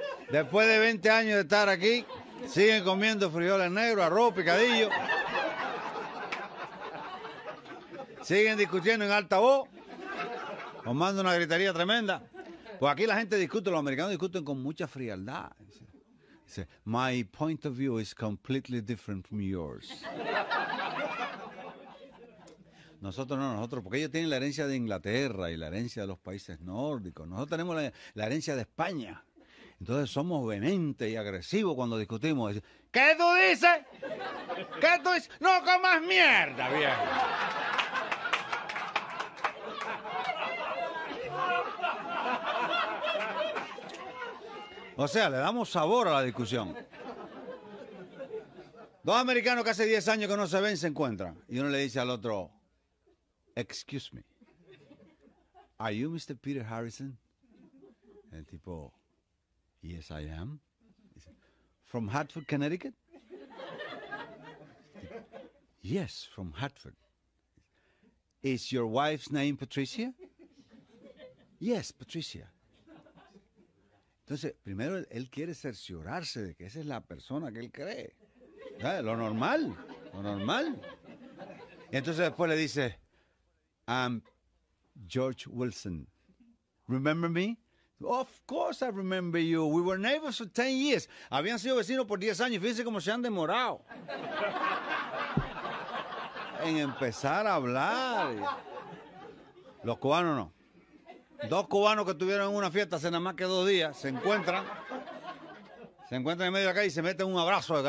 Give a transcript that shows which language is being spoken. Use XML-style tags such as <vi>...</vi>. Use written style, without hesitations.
<es>Después de 20 años de estar aquí, siguen comiendo frijoles negros, arroz, picadillo. Siguen discutiendo en alta voz, os mando una gritería tremenda. Pues aquí la gente discute, los americanos discuten con mucha frialdad. Dice,</es> <en>my point of view is completely different from yours.</en> <es>Nosotros no, nosotros, porque ellos tienen la herencia de Inglaterra y la herencia de los países nórdicos. Nosotros tenemos la herencia de España. Entonces somos vehementes y agresivos cuando discutimos. Dice, ¿qué tú dices? ¿Qué tú dices? No comas mierda, viejo. O sea, le damos sabor a la discusión. Dos americanos que hace 10 años que no se ven se encuentran. Y uno le dice al otro,</es> <en>excuse me, are you Mr. Peter Harrison?</en> <es>El tipo,</es> <en>yes, I am.</en> <es>Dice,</es> <en>from Hartford, Connecticut? Yes, from Hartford. Is your wife's name Patricia? Yes, Patricia.</en> <es>Entonces, primero él quiere cerciorarse de que esa es la persona que él cree. ¿Sabe? Lo normal, lo normal. Y entonces después le dice,</es> <en>I'm George Wilson. Remember me? Of course I remember you. We were neighbors for 10 years.</en> <es>Habían sido vecinos por 10 años. Fíjense cómo se han demorado en empezar a hablar. Los cubanos no. Dos cubanos que estuvieron en una fiesta hace nada más que 2 días, se encuentran en medio de acá y se meten un abrazo.</es>